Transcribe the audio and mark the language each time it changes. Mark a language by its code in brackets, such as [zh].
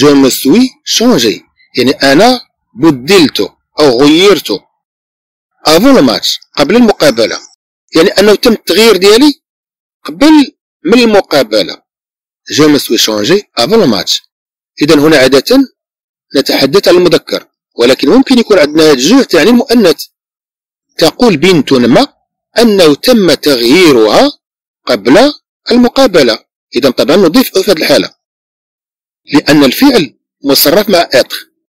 [fr] suis changé، [ar] يعني أنا بدلت أو غيرت [fr] avant le match، [ar] قبل المقابلة، يعني أنه تم التغيير ديالي قبل من المقابلة. [fr] Je me suis changé avant le match. [ar] إذن هنا عادة نتحدث عن المذكر، ولكن ممكن يكون عندنا جوه تعني المؤنث. تقول بنت ما أنه تم تغييرها قبل المقابلة، إذن طبعا نضيف في هذه الحالة لأن الفعل مصرف مع إتر.